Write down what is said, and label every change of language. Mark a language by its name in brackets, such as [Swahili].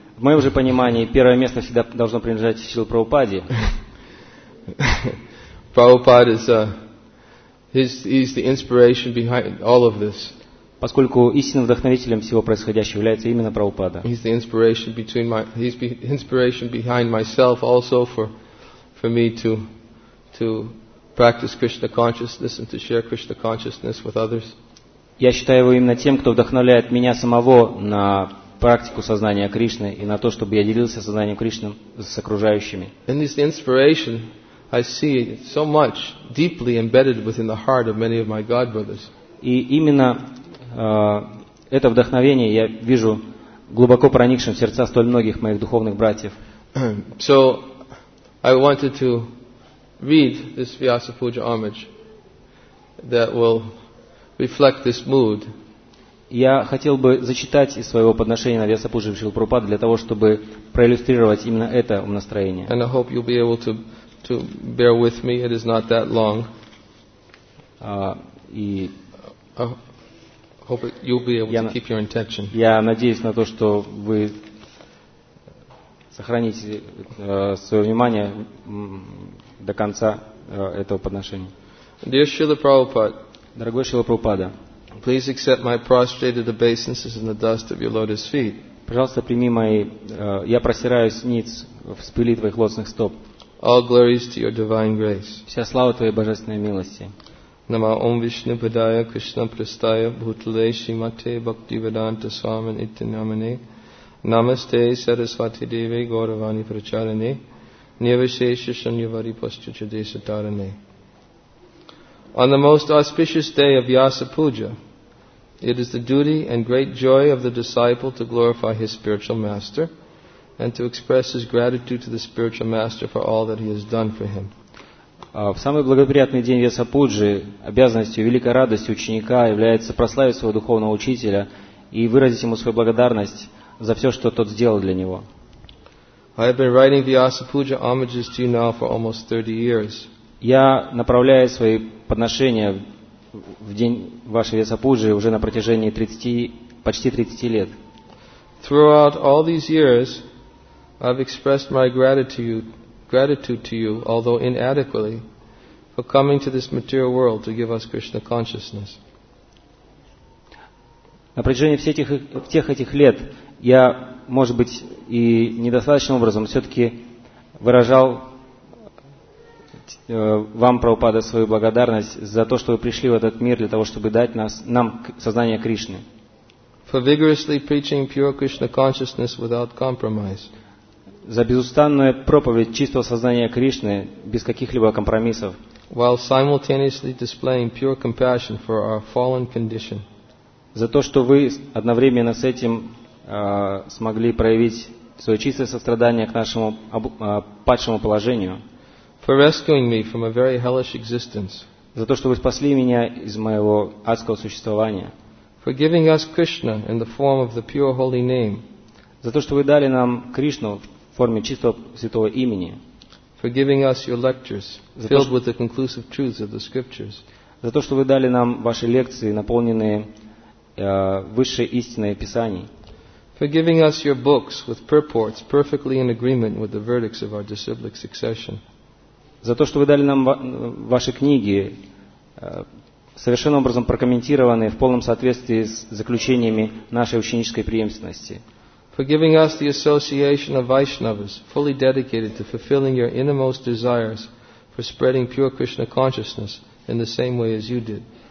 [Russian] В моем же понимании первое место всегда должно принадлежать Шриле Прабхупаде. [English] Prabhupada is he's the inspiration behind all of this. [Russian] Поскольку истинным вдохновителем всего происходящего является именно Прабхупада. [English] He's the inspiration between my he's the inspiration behind myself also for me to practice Krishna consciousness and to share Krishna consciousness with others. [Russian] Я считаю его именно тем, кто вдохновляет меня самого на практику сознания Кришны и на то, чтобы я делился сознанием Кришны с окружающими. [English] In this inspiration, I see so much deeply embedded within the heart of many of my God brothers. [Russian] И именно это вдохновение я вижу глубоко проникшим в сердца столь многих моих духовных братьев. [English] So I wanted to read this Vyasa Puja homage that will reflect this mood. [Russian] Я хотел бы зачитать из своего подношения на Вьяса Пуджи Шрилы Прабхупады для того, чтобы проиллюстрировать именно это настроение. [English] And I hope you'll be able to bear with me. It is not that long. [Russian] И [English] hope you'll be able to keep your intention. [Russian] Я надеюсь на то, что вы сохраните свое внимание до конца этого подношения. [English] Dear Shrila Prabhupada, [Russian] дорогой Шрила Прабхупада, [English] please accept my prostrated obeisances in the dust of your lotus feet. [Russian] Пожалуйста, прими мои, я простираюсь ниц в пыли твоих лотосных стоп. [English] All glories to your divine grace. [Russian] Вся слава твоей божественной милости. [Sanskrit] Нама Ом Вишну Падая Кришна Престая Бхутле Шримате Бхакти Веданта Свамин Итинамине. Намасте Сарасвати Деве Гауравани Прачарине. Нирвишеша Шуньявади Пасча Деса Тарине. [English] On the most auspicious day of Vyasa Puja, it is the duty and great joy of the disciple to glorify his spiritual master and to express his gratitude to the spiritual master for all that he has done for him. [Russian] В самый благоприятный день Vyasa Puja обязанностью и великой радостью ученика является прославить своего духовного учителя и выразить ему свою благодарность за все, что тот сделал для него. [English] I have been writing Vyasa Puja homages to you now for almost 30 years. [Russian] Я направляю свои подношения в день вашей Vyasa Puja уже на протяжении 30 лет. [English] Throughout all these years, I've expressed my gratitude to you, although inadequately, for coming to this material world to give us Krishna consciousness. [Russian] На протяжении всех этих лет я, может быть, и недостаточным образом все-таки выражал вам, Прабхупада, свою благодарность за то, что вы пришли в этот мир для того, чтобы дать нам сознание Кришны. [English] For vigorously preaching pure Krishna consciousness without compromise. [Russian] За безустанную проповедь чистого сознания Кришны без каких-либо компромиссов. [English] While simultaneously displaying pure compassion for our fallen condition. [Russian] За то, что вы одновременно с этим смогли проявить свое чистое сострадание к нашему падшему положению. [English] For rescuing me from a very hellish existence. [Russian] За то, что вы спасли меня из моего адского существования. [English] For giving us Krishna in the form of the pure holy name. [Russian] За то, что вы дали нам Кришну в форме чистого святого имени. [English] For giving us your lectures filled with the conclusive truths of the scriptures. [Russian] За то, что вы дали нам ваши лекции, наполненные высшей истиной Писаний. [English] For giving us your books with purports perfectly in agreement with the verdicts of our disciplic succession. [Russian] За то, что вы дали нам ваши книги, совершенно образом прокомментированные в полном соответствии с заключениями нашей ученической преемственности. [English] For giving us the association of Vaishnavas, fully dedicated to fulfilling your innermost desires for spreading pure Krishna consciousness in the same way as you did.